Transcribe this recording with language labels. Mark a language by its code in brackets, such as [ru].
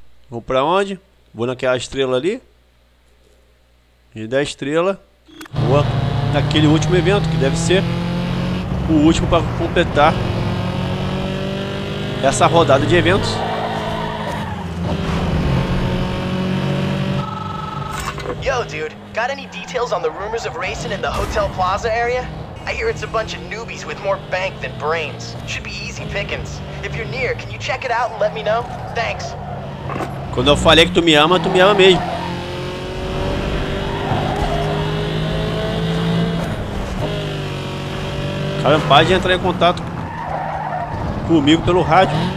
[pt] Vou pra onde? Vou naquela estrela ali. E da estrela, vou naquele último evento, que deve ser o último para completar essa rodada de eventos. [en] Yo, dude, got any details on the rumors of racing in the Hotel Plaza area? I hear it's a bunch of newbies with more bank than brains. Should be easy pickings. If you're near, can you check it out and let me know? Thanks. [pt] Quando eu falei que tu me ama mesmo. Caramba, pode entrar em contato comigo pelo rádio.